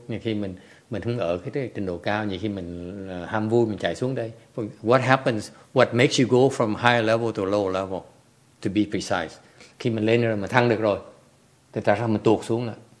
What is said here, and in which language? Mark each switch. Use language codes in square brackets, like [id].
[vi] Nhiều khi mình không ở cái trình độ cao, nhiều khi mình ham vui mình chạy xuống đây. [en] What happens? What makes you go from higher level to lower level? To be precise, [vi] khi mình lên rồi mình thăng được rồi, thì tại sao mình tuột xuống lại?